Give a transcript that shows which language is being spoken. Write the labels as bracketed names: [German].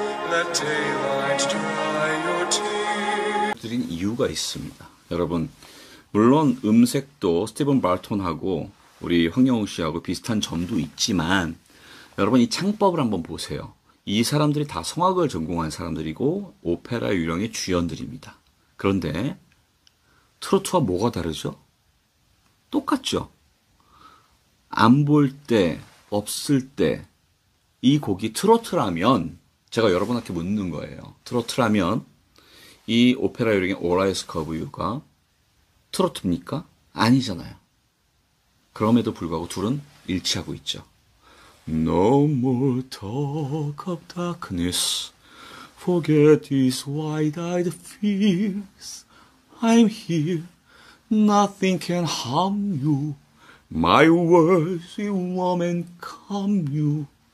[English] Let daylight dry your tears. [Korean] 드린 이유가 있습니다. 여러분 물론 음색도 스티븐 발톤하고 우리 황영웅 씨하고 비슷한 점도 있지만 여러분 이 창법을 한번 보세요. 이 사람들이 다 성악을 전공한 사람들이고 오페라 유령의 주연들입니다. 그런데 트로트와 뭐가 다르죠? 똑같죠? 안볼 때, 없을 때이 곡이 트로트라면 제가 여러분한테 묻는 거예요. 트로트라면 이 오페라 유령의 All Eyes Cover You가 트로트입니까? 아니잖아요. 그럼에도 불구하고 둘은 일치하고 있죠. [English] No more talk of darkness. Forget these wide-eyed fears. I'm here. Nothing can harm you. My words will warm and calm you.